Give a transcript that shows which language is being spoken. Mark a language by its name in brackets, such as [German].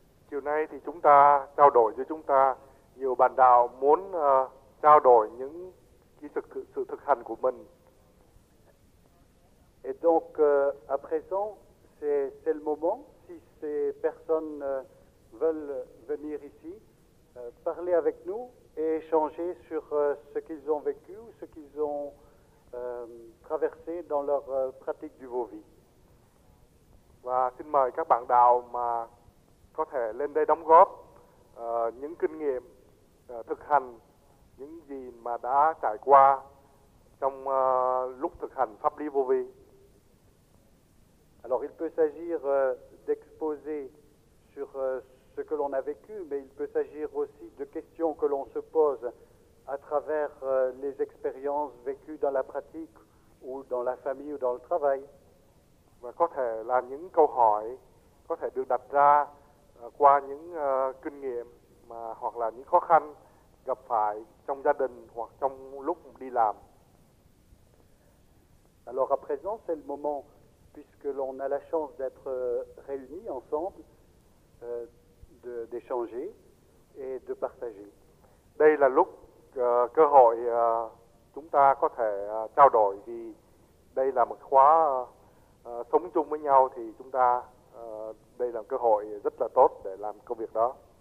[Vietnamese] Chiều nay thì chúng ta trao đổi giữa chúng ta. Nhiều bạn đạo muốn trao đổi những sự thực hành của mình. [French] Et donc à présent, c'est le moment, si ces personnes veulent venir ici, parler avec nous et échanger sur ce qu'ils ont vécu ou ce qu'ils ont traversé dans leur pratique du Vovi. [Vietnamese] Và xin mời các bạn đạo mà có thể lên đây đóng góp những kinh nghiệm, thực hành những gì mà đã trải qua trong lúc thực hành pháp lý vô vi. [French] Alors il peut s'agir d'exposer sur ce que l'on a vécu, mais il peut s'agir aussi de questions que l'on se pose à travers les expériences vécues dans la pratique ou dans la famille ou dans le travail. [Vietnamese] Và có thể là những câu hỏi có thể được đặt ra qua những kinh nghiệm mà hoặc là những khó khăn gặp phải trong gia đình hoặc trong lúc đi làm. [French] Alors à présent, c'est le moment, puisque l'on a la chance d'être réunis ensemble, d'échanger et de partager. [Vietnamese] Đây là lúc cơ hội chúng ta có thể trao đổi, vì đây là một khóa sống chung với nhau, thì chúng ta đây là cơ hội rất là tốt để làm công việc đó.